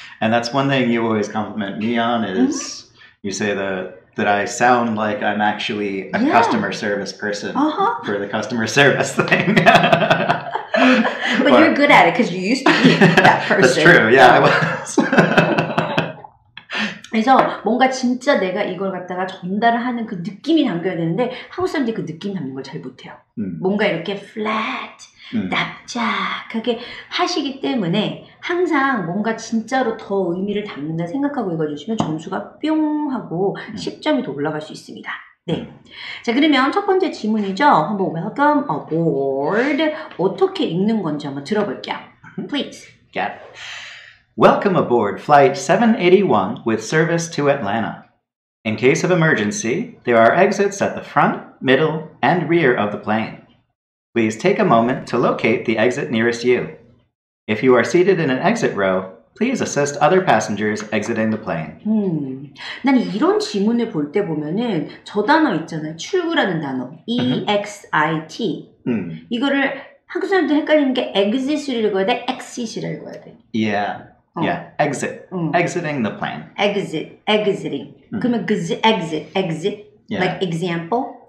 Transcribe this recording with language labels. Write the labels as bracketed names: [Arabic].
[English] And that's one thing you always compliment me on is you say that I sound like I'm actually a customer service person for the customer service thing. But you're good at it because you used to be that person. That's true. Yeah, I was. [Korean] 그래서 뭔가 진짜 내가 이걸 갖다가 전달을 하는 그 느낌이 담겨야 되는데 한국 사람들이 그 느낌 담는 걸 잘 못해요. 뭔가 이렇게 flat, 납작하게 하시기 때문에 항상 뭔가 진짜로 더 의미를 담는다 생각하고 읽어주시면 점수가 뿅 하고 10점이 더 올라갈 수 있습니다. 네. 자, 그러면 첫 번째 질문이죠. 한번 [English] welcome aboard. [Korean] 어떻게 읽는 건지 한번 들어볼게요. [English] Please. Yeah. Welcome aboard flight 781 with service to Atlanta. In case of emergency, there are exits at the front, middle, and rear of the plane. Please take a moment to locate the exit nearest you. If you are seated in an exit row, please assist other passengers exiting the plane. [Korean] 난 이런 지문을 볼 때 보면은 저 단어 있잖아요. 출구라는 단어. EXIT. 이거를 한국 사람들 헷갈리는 게 exit을 읽어야 돼, exit을 읽어야 돼. [English] Yeah. Yeah, exit. Exiting the plane. Exit, exiting. [Korean] 그러면 [English] exit, exit. Yeah. Like example.